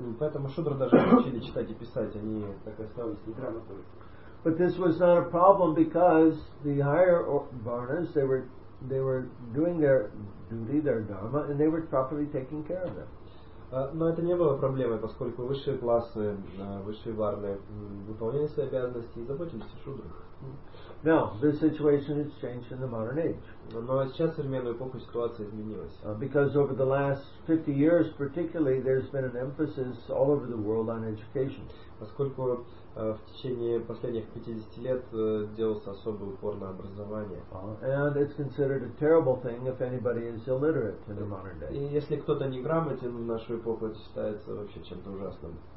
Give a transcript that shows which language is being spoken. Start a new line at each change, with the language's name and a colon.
Russian: Поэтому шудры даже не учили читать и писать. Они так остались неграмотными.
English: But this was not a problem because the higher varnas they were doing their duty, their dharma, and they were properly taking care of them.
Russian: Но это не было проблемой, поскольку высшие классы, высшие варны выполняли свои обязанности и заботились о шудрах.
English: Now, this situation has changed in the modern age.
Russian: Но сейчас современную эпоху ситуация изменилась.
English: Because over the last 50 years, particularly, there's been an emphasis all over the world on education.
Russian: Поскольку в течение последних 50 лет делался особый упор на образование.
English: And it's considered a terrible thing if anybody is illiterate in the modern day.
Russian: И если кто-то неграмотен в нашу эпоху, это считается вообще чем-то ужасным.